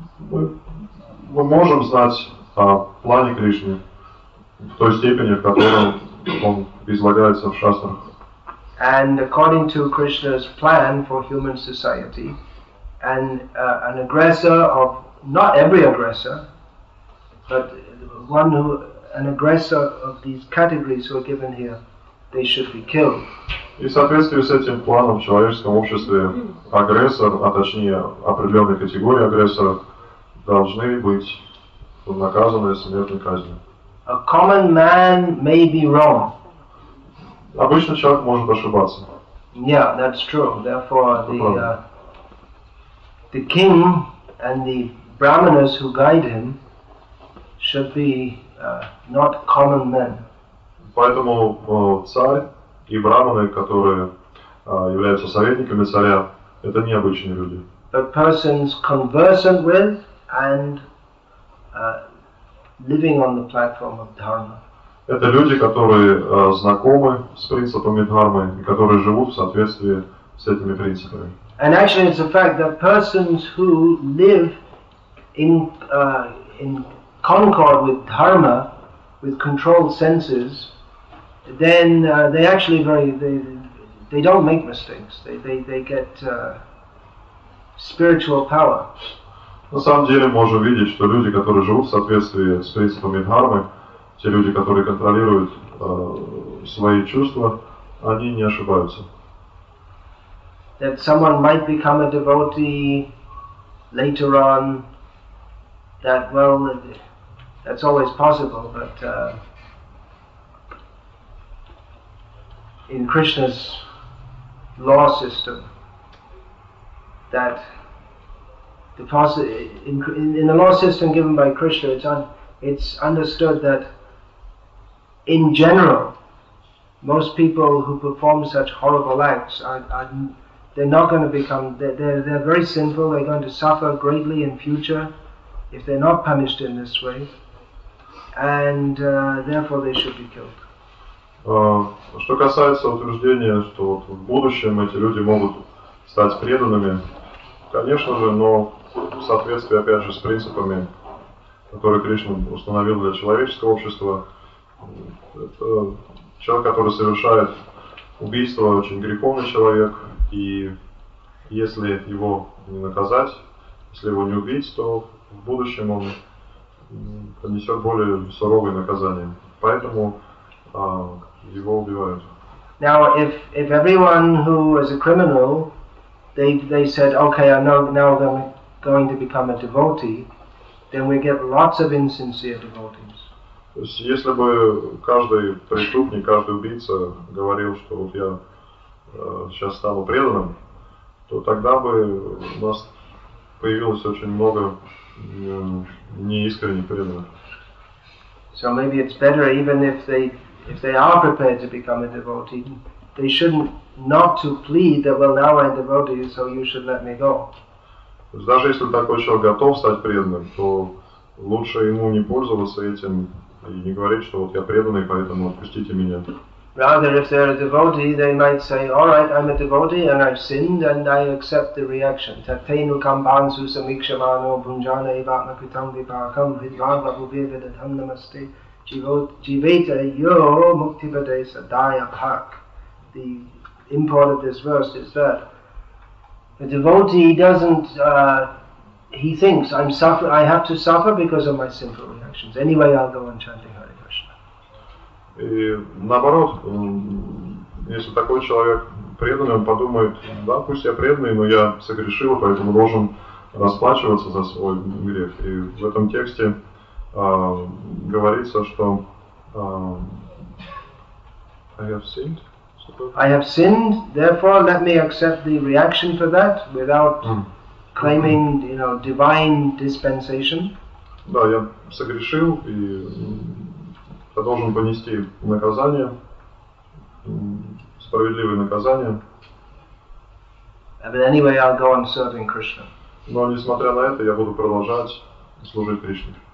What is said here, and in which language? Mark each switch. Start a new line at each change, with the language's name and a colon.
Russian: Мы можем знать о плане Кришны в той степени, в которой он излагается в Шастрах.
English: And according to Krishna's plan for human society, an aggressor of not every aggressor, but one who an aggressor of these categories who are given here, they should be killed.
Russian: И в соответствии с этим планом в человеческом обществе агрессор, а точнее определенные категории агрессоров, должны быть наказаны смертной казнью.
English: A common man may be wrong.
Russian: Обычно человек может ошибаться.
English: Yeah, that's true. Therefore, the king and the brahmanas who guide him should be not common men.
Russian: Поэтому царь и брахманы, которые являются советниками царя, это необычные люди.
English: But persons conversant with and living on the platform of dharma.
Russian: Это люди, которые знакомы с принципами дхармы и которые живут в соответствии с этими принципами.
English: And actually, it's a fact that persons who live in concord with dharma, with controlled senses, then they actually very they, they don't make mistakes. They get spiritual power.
Russian: На самом деле, можно видеть, что люди, которые живут в соответствии с принципами Дхармы, те люди, которые контролируют свои чувства, они не ошибаются.
English: That someone might become a devotee later on, that, well, that's always possible, but in Krishna's law system, that the in the law system given by Krishna, it's understood that in general, most people who perform such horrible acts they're not going to become, they're very sinful, they're going to suffer greatly in future if they're not punished in this way, and therefore they should be killed.
Russian: Что касается утверждения, что вот в будущем эти люди могут стать преданными, конечно же, но в соответствии, опять же, с принципами, которые Кришна установил для человеческого общества, это человек, который совершает убийство, очень греховный человек, и если его не наказать, если его не убить, то в будущем он понесет более суровые наказания. Поэтому его убивают.
English: Now, if everyone who is a criminal, they said, okay, now I'm going to become a devotee, then we get lots of insincere devotees.
Russian: То есть, если бы каждый преступник, каждый убийца говорил, что вот я сейчас стану преданным, то тогда бы у нас появилось очень много неискренних преданных.
English: So maybe it's better, even if they are prepared to become a devotee, they shouldn't not to plead that, well, now I'm a devotee, so you should let me go.
Russian: Даже если такой человек готов стать преданным, то лучше ему не пользоваться этим и не говорить, что вот я преданный, поэтому отпустите меня.
English: Rather, if they're a devotee, they might say, all right, I'm a devotee and I've sinned and I accept the reaction.
Sanskrit: Tathenu kambansu samikshamano bhunjana ivatma kritam vipakam vidvagva bubhivadatam namaste jiveta yo muktivade sadaya bhak.
English: The import of this verse is that the devotee doesn't, he thinks, I have to suffer because of my sinful reactions. Anyway, I'll go on chanting.
Russian: И наоборот, если такой человек преданный, он подумает, да, пусть я преданный, но я согрешил, поэтому должен расплачиваться за свой грех. И в этом тексте говорится, что
English: I have sinned. I have sinned, therefore let me accept the reaction for that without claiming, you know, divine dispensation.
Russian: Да, я согрешил и я должен понести наказание, справедливое наказание.
English: But anyway, I'll go on serving Krishna.
Russian: Но несмотря на это, я буду продолжать служить Кришне.